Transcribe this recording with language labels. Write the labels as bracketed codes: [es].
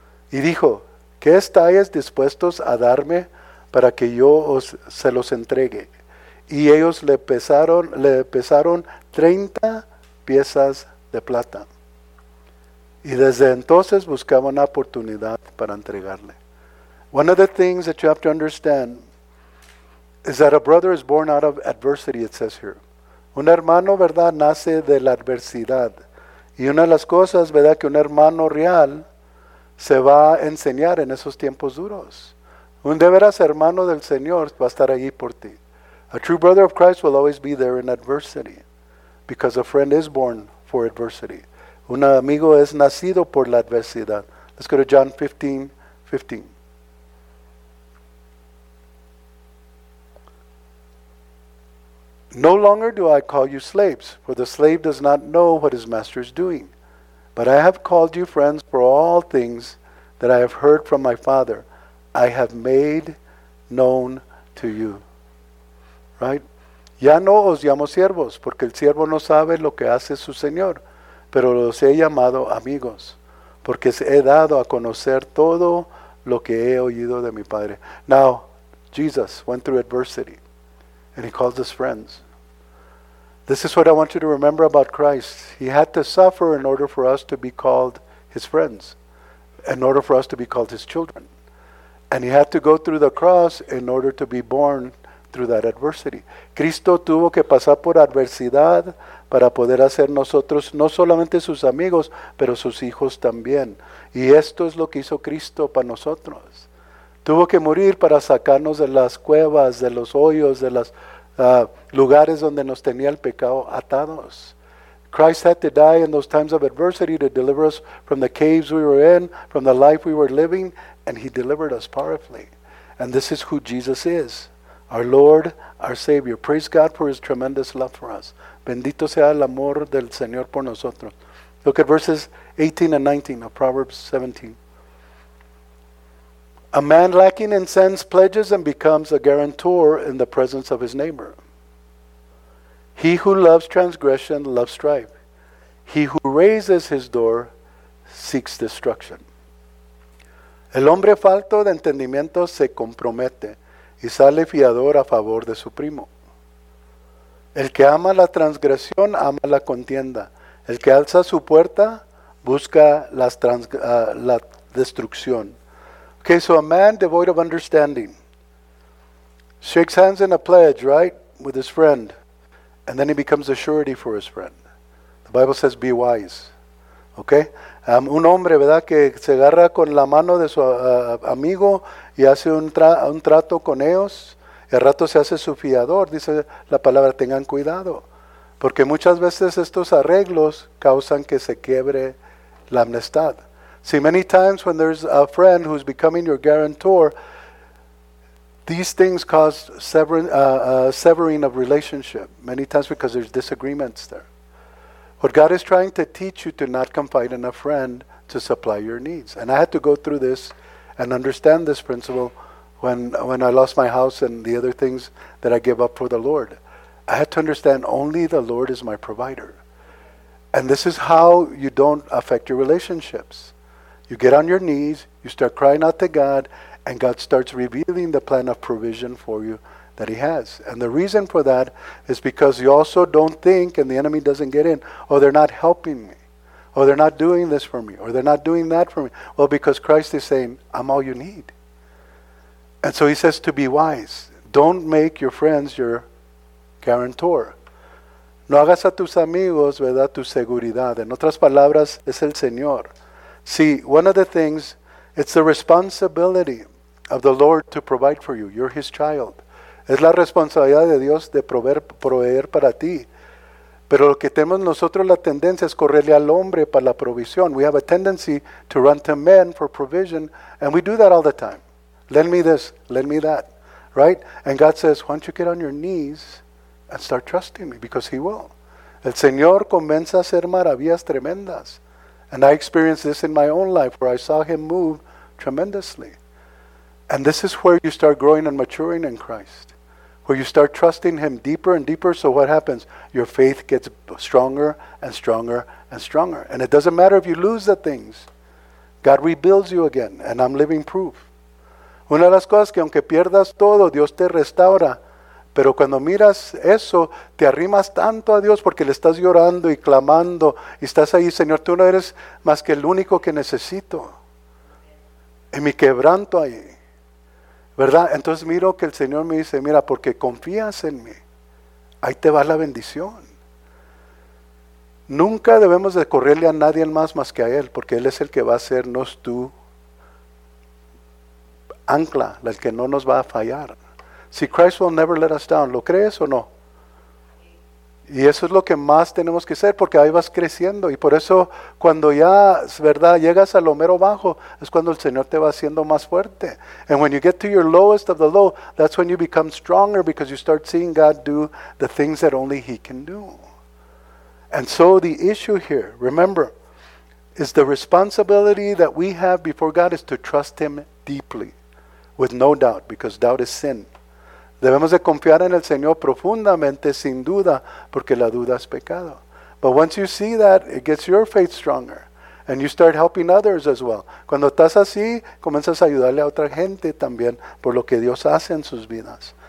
[es] Y dijo, ¿qué estáis dispuestos a darme para que yo se los entregue? Y ellos le pesaron 30 piezas de plata. Y desde entonces buscaba una oportunidad para entregarle. [en] One of the things that you have to understand is that a brother is born out of adversity, it says here. [es] Un hermano, ¿verdad?, nace de la adversidad. Y una de las cosas, ¿verdad?, que un hermano real se va a enseñar en esos tiempos duros. Un de veras hermano del Señor va a estar ahí por ti. [en] A true brother of Christ will always be there in adversity, because a friend is born for adversity. [es] Un amigo es nacido por la adversidad. [en] Let's go to John 15, 15. No longer do I call you slaves, for the slave does not know what his master is doing. But I have called you friends, for all things that I have heard from my Father, I have made known to you. Right? [es] Ya no os llamo siervos, porque el siervo no sabe lo que hace su señor, pero los he llamado amigos, porque he dado a conocer todo lo que he oído de mi Padre. [en] Now, Jesus went through adversity, and he calls us friends. This is what I want you to remember about Christ. He had to suffer in order for us to be called his friends, in order for us to be called his children. And he had to go through the cross in order to be born through that adversity. [es] Cristo tuvo que pasar por adversidad para poder hacer nosotros no solamente sus amigos, pero sus hijos también. Y esto es lo que hizo Cristo para nosotros. Tuvo que morir para sacarnos de las cuevas, de los hoyos, de los lugares donde nos tenía el pecado atados. [en] Christ had to die in those times of adversity to deliver us from the caves we were in, from the life we were living, and he delivered us powerfully. And this is who Jesus is. Our Lord, our Savior. Praise God for his tremendous love for us. [es] Bendito sea el amor del Señor por nosotros. [en] Look at verses 18 and 19 of Proverbs 17. A man lacking in sense pledges and becomes a guarantor in the presence of his neighbor. He who loves transgression loves strife. He who raises his door seeks destruction. [es] El hombre falto de entendimiento se compromete y sale fiador a favor de su primo. El que ama la transgresión ama la contienda. El que alza su puerta busca la destrucción. [en] Okay, so a man devoid of understanding shakes hands in a pledge, right, with his friend, and then he becomes a surety for his friend. The Bible says, be wise. Okay? [es] Un hombre, ¿verdad?, que se agarra con la mano de su amigo y hace un trato con ellos, y al rato se hace su fiador, dice la palabra, tengan cuidado. Porque muchas veces estos arreglos causan que se quiebre la amistad. [en] See, many times when there's a friend who's becoming your guarantor, these things cause severing of relationship. Many times because there's disagreements there. What God is trying to teach you to not confide in a friend to supply your needs. And I had to go through this and understand this principle when I lost my house and the other things that I gave up for the Lord. I had to understand only the Lord is my provider. And this is how you don't affect your relationships. You get on your knees, you start crying out to God, and God starts revealing the plan of provision for you that he has. And the reason for that is because you also don't think, and the enemy doesn't get in, oh, they're not helping me, or they're not doing this for me, or they're not doing that for me. Well, because Christ is saying, I'm all you need. And so he says to be wise. Don't make your friends your guarantor. [es] No hagas a tus amigos, verdad, tu seguridad. En otras palabras, es el Señor. [en] See, one of the things, it's the responsibility of the Lord to provide for you. You're his child. [es] Es la responsabilidad de Dios de proveer para ti. Pero lo que tenemos nosotros la tendencia es correrle al hombre para la provisión. [en] We have a tendency to run to men for provision, and we do that all the time. Lend me this, lend me that, right? And God says, why don't you get on your knees and start trusting me, because he will. [es] El Señor comienza a hacer maravillas tremendas. [en] And I experienced this in my own life where I saw him move tremendously. And this is where you start growing and maturing in Christ, where you start trusting him deeper and deeper. So what happens? Your faith gets stronger and stronger and stronger. And it doesn't matter if you lose the things. God rebuilds you again, and I'm living proof. [es] Una de las cosas que aunque pierdas todo, Dios te restaura. Pero cuando miras eso, te arrimas tanto a Dios porque le estás llorando y clamando y estás ahí, Señor, tú no eres más que el único que necesito. En mi quebranto ahí. ¿Verdad? Entonces miro que el Señor me dice, mira, porque confías en mí, ahí te va la bendición. Nunca debemos de correrle a nadie más que a Él, porque Él es el que va a hacernos tu ancla, el que no nos va a fallar. Si [en] Christ will never let us down, [es] ¿lo crees o no? Y eso es lo que más tenemos que hacer, porque ahí vas creciendo. Y por eso cuando ya, ¿verdad?, llegas a lo mero bajo, es cuando el Señor te va haciendo más fuerte. [en] And when you get to your lowest of the low, that's when you become stronger, because you start seeing God do the things that only he can do. And so the issue here, remember, is the responsibility that we have before God is to trust him deeply, with no doubt, because doubt is sin. [es] Debemos de confiar en el Señor profundamente, sin duda, porque la duda es pecado. [en] But once you see that, it gets your faith stronger. And you start helping others as well. [es] Cuando estás así, comienzas a ayudarle a otra gente también por lo que Dios hace en sus vidas.